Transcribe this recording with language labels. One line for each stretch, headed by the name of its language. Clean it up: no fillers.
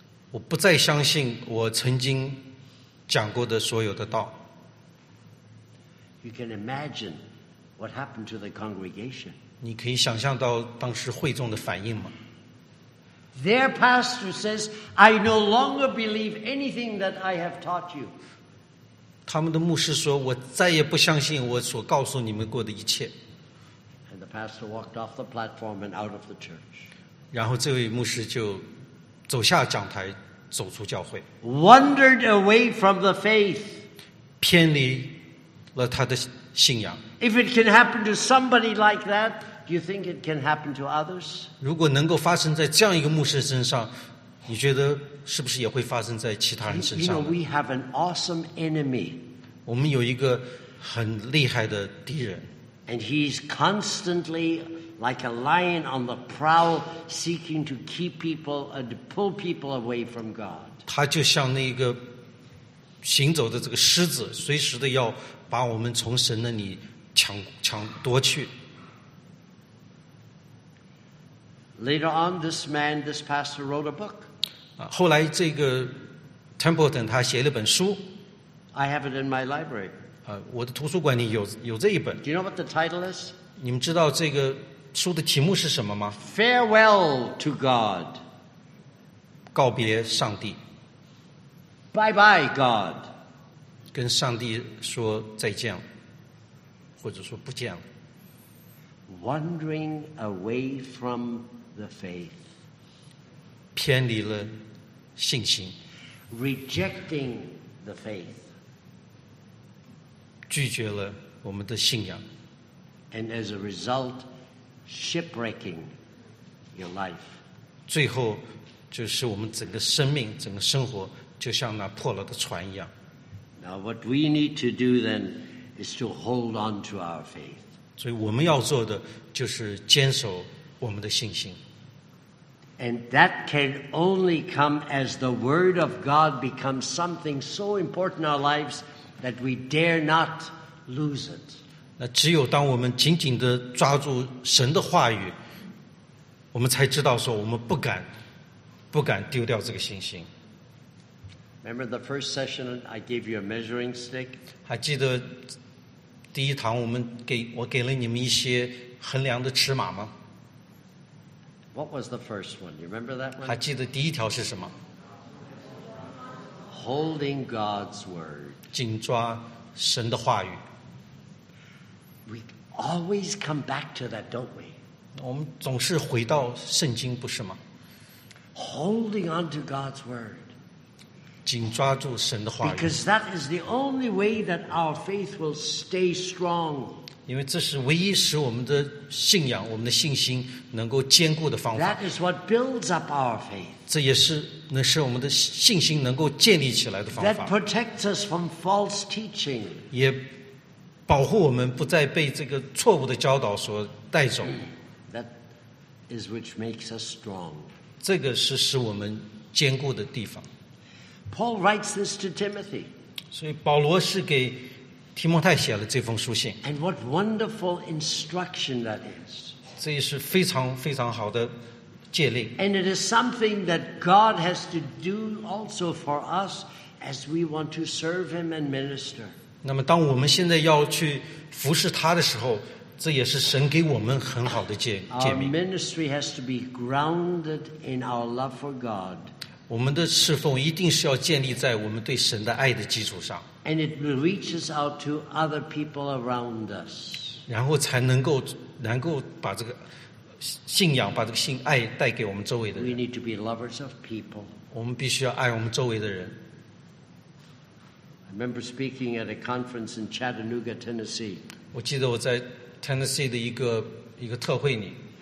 Chinese: 我不再相信我曾经讲过的所有的道。
English: You can imagine what happened to the congregation.
Chinese: 你可以想象到当时会众的反应吗？
English: Their pastor says, "I no longer believe anything that I have taught you."
Chinese: 他们的牧师说，我再也不相信我所告诉你们过的一切。
English: And the pastor walked off the platform and out of the church.
Chinese: 然后这位牧师就走下讲台，走出教会。
English: Wandered away from the faith.
Chinese: 偏离了他的信仰。
English: If it can happen to somebody like that. Do you think it can happen to others?
Chinese: 如果能够发生在这样一个牧师身上，你觉得是不是也会发生在其他人身上？
English: You know, we have an awesome enemy.
Chinese: 我们有一个很厉害的敌人。
English: And he's constantly like a lion on the prowl, seeking to keep people and pull people away from God.
Chinese: 他就像那个行走的这个狮子，随时的要把我们从神那里抢夺去。
English: Later on, this man, this pastor, wrote a book.
Chinese: 后来这个 Templeton 他写了本书。
English: I have it in my library.
Chinese: 我的图书馆里有这一本。
English: Do you know what the title is?
Chinese: 你们知道这个书的题目是什么吗？
English: Farewell to God.
Chinese: 告别上帝。
English: Bye bye, God.
Chinese: 跟上帝说再见，或者说不见了。
English: Wandering away from the faith,
Chinese: 偏离了信心
English: rejecting the faith,
Chinese: 拒绝了我们的信仰
English: and as a result, shipwrecking your life.
Chinese: 最后就是我们整个生命整个生活就像那破了的船一样。
English: Now what we need to do then is to hold on to our faith.
Chinese: 所以我们要做的就是坚守我们的信心。
English: And that can only come as the word of God becomes something so important in our lives that we dare not lose it.
Chinese: 那只有当我们紧紧地抓住神的话语，我们才知道说我们不敢丢掉这个信心。
English: Remember the first session I gave you a measuring stick?
Chinese: 还记得第一堂我给了你们一些衡量的尺码吗？
English: What was the first one? You remember that one?
Chinese: 还记得第一条是什么？
English: Holding God's word.
Chinese: 紧抓神的话语。
English: We always come back to that, don't we?
Chinese: 我们总是回到圣经，不是吗？
English: Holding on to God's word.
Chinese: 紧抓住神的话语。
English: Because that is the only way that our faith will stay strong.
Chinese: 因为这是唯一使我们的信仰我们的信心能够坚固的方法。
English: That is what builds up our faith.
Chinese: 这也是能使我们的信心能够建立起来的方法。
English: That protects us from false teaching.
Chinese: 也保护我们不再被这个错误的教导所带走。
English: That is which makes us strong.
Chinese: 这个是使我们坚固的地方。
English: Paul writes this to Timothy.
Chinese: 所以保罗是给提摩太写了这封书信。
English: And what wonderful instruction that is.
Chinese: 这也是非常非常好的诫令。
English: And it is something that God has to do also for us as we want to serve Him and minister.
Chinese: 那么当我们现在要去服侍他的时候，这也是神给我们很好的诫命。
English: Our ministry has to be grounded in our love for God.
Chinese: 我们的侍奉一定是要建立在我们对神的爱的基础上。
English: And it reaches out to other people around us.
Chinese: 然后才能够把这个信仰，把这个信爱带给我们周围的人。
English: We need to be lovers of people.
Chinese: 我们必须要爱我们周围的人。
English: I remember speaking at a conference in Chattanooga, Tennessee.
Chinese: 我记得我在 Tennessee 的一个特会里。